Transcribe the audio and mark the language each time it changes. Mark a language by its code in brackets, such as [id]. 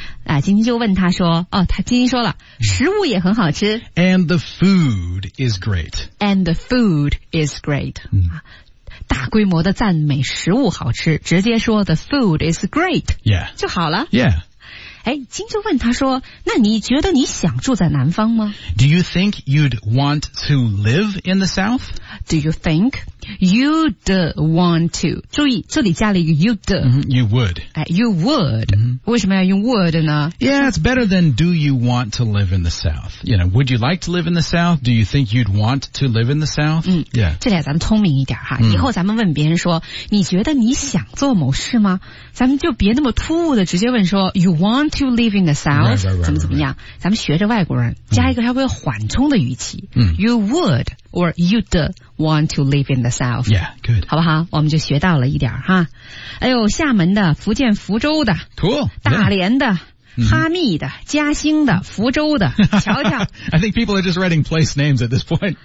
[zh] 啊，晶晶就问他说，哦，他晶晶说了，食物也很好吃。 [en] And the food is great. And the food is great.、 [zh] 大规模的赞美食物好吃，直接说 [en] the food is great. Yeah. [zh] 就好了。 [en] Yeah. [zh] 哎，金就问他说，那你觉得你想住在南方吗？ [en] Do you think you'd want to live in the south? Do you think you'd want to? [zh] 注意，这里加了一个 [en] you'd.、 You would. You would.、 [zh] 为什么要用 would 呢？ [en] Yeah, it's better than do you want to live in the south. You know, would you like to live in the south? Do you think you'd want to live in the south?、Yeah. [zh] 这俩咱们聪明一点哈、以后咱们问别人说，你觉得你想做某事吗？咱们就别那么突兀的直接问说 [en] you want to live in the south right. [zh] 怎么怎么样咱们学着外国人加一个稍微缓冲的语气、 [en] you would or you'd want to live in the south yeah good [zh] 好不好我们就学到了一点哈哎呦厦门的福建福州的 [en] cool [zh] 大连的、哈密的嘉兴的福州的瞧瞧 [en] I think people are just writing place names at this point